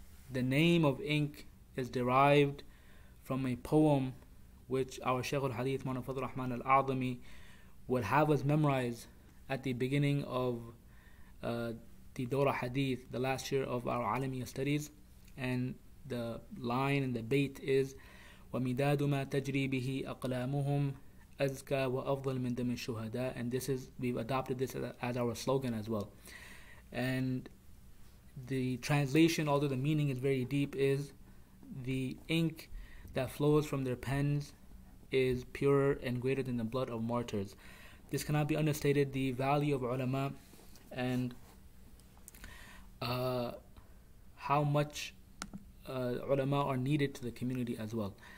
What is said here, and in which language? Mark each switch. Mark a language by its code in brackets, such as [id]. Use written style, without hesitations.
[en] The name of Inc. is derived from a poem which our Shaykh al-Hadith Mawlana Fadl Rahman al-A'zami would have us memorize at the beginning of the Dora Hadith, the last year of our Alamiya studies. And the line and the bait is, [ar] وَمِدَادُ مَا تَجْرِي بِهِ أَقْلَامُهُمْ أَزْكَى وَأَفْضَلْ مِنْ دَمِ الشُّهَدَى. [en] And this is, we've adopted this as our slogan as well. And the translation, although the meaning is very deep, is the ink that flows from their pens is purer and greater than the blood of martyrs. This cannot be understated, the value of ulama, and how much ulama are needed to the community as well.